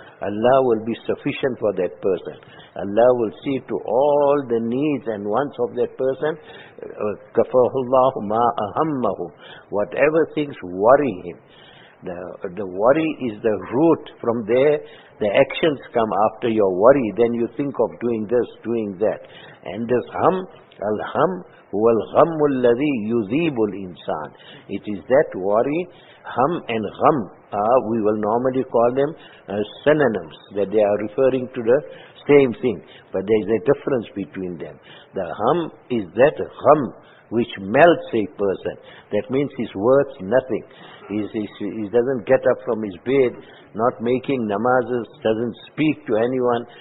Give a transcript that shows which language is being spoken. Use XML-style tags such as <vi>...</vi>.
<en>Allah will be sufficient for that person. Allah will see to all the needs and wants of that person.</en> <ar>كَفَهُ اللَّهُ مَا أَهَمَّهُ.</ar> <en>Whatever things worry him. The worry is the root. From there, the actions come after your worry. Then you think of doing this, doing that. And this hum,</en> <ar>الْهَمْ هُوَ الْغَمُّ الَّذِي يُذِيبُ الْإِنسَانِ.</ar> <en>It is that worry, hum and gham. We will normally call them synonyms, that they are referring to the same thing. But there is a difference between them. The hum is that gham which melts a person. That means his words, nothing. He doesn't get up from his bed, not making namazes, doesn't speak to anyone.</en>